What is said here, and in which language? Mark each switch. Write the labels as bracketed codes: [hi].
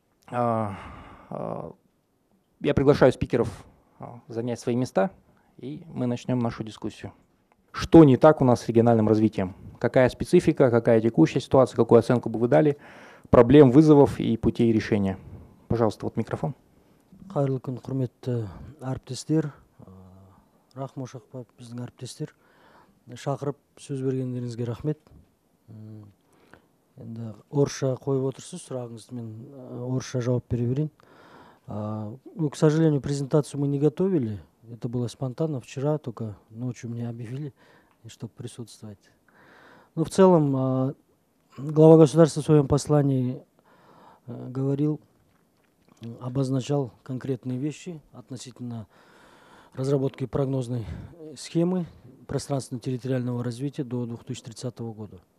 [ru] Я приглашаю спикеров занять свои места. И мы начнем нашу дискуссию. Что не так у нас с региональным развитием? Какая специфика, какая текущая ситуация, какую оценку бы вы дали проблем, вызовов и путей решения? Пожалуйста, вот микрофон. [kk] Кайрлы күн, құрметті әріптестер. Рахмо шақпа, біздің әріптестер. Шақырып сөз бергендеріңізге рахмет. Енді орша қойып отырсыз сұрағыңызды, мен орша жауап бере берейін. [ru] К сожалению, презентацию мы не готовили. Это было спонтанно, вчера только ночью мне объявили, чтобы присутствовать. Но в целом глава государства в своем послании говорил, обозначал конкретные вещи относительно разработки прогнозной схемы пространственно-территориального развития до 2030 года.